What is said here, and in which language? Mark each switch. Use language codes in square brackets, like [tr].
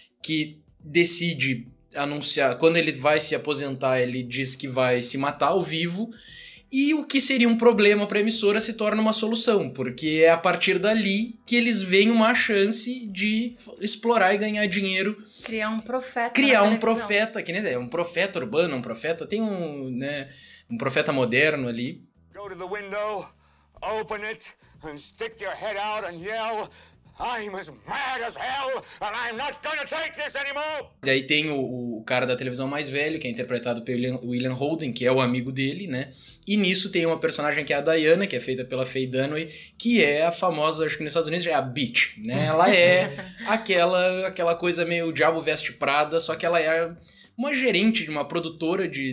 [pt] Que decide anunciar, quando ele vai se aposentar, ele diz que vai se matar ao vivo, e o que seria um problema para a emissora se torna uma solução, porque é a partir dali que eles veem uma chance de explorar e ganhar dinheiro. Criar um profeta. Criar um profeta, que nem é um profeta urbano, um profeta, tem um, né, um profeta moderno ali. [en] Go to the window, open it, and stick your head out and yell. I'm as mad as hell, and I'm not gonna take this anymore! [pt] Daí tem o cara da televisão mais velho, que é interpretado pelo William Holden, que é o amigo dele, né? E nisso tem uma personagem que é a Diana, que é feita pela Faye Dunaway, que é a famosa, acho que nos Estados Unidos, é a Bitch, né? Ela é aquela coisa meio Diabo Veste Prada, só que ela é uma gerente de uma produtora de...